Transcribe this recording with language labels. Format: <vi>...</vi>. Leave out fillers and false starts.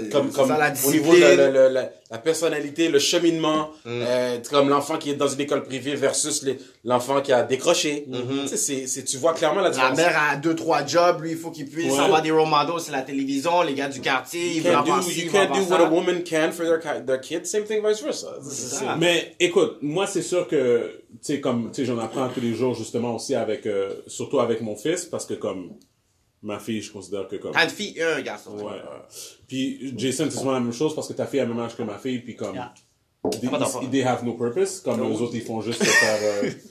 <fr>comme la au niveau de la personnalité, le cheminement, comme l'enfant qui est dans une école privée versus l'enfant qui a décroché. Tu vois clairement la différence. La mère a 2-3 jobs, lui il faut qu'il puisse avoir des role models, c'est la télévision, les gars du quartier, ils veulent avoir ça.</fr> <en>You can't do what a woman can for their kids, same thing vice versa.</en> <fr>Mais écoute, moi c'est sûr que tu sais comme tu sais j'en apprends tous les jours justement aussi avec surtout avec mon fils parce que comme ma fille, je considère que comme... T'as une fille et un garçon. Ouais. Puis Jason, c'est souvent la même chose parce que ta fille a le même âge que ma fille. Puis comme...</fr> <en>They have no purpose.</en> <fr>Comme eux autres, ils font juste se faire...</fr>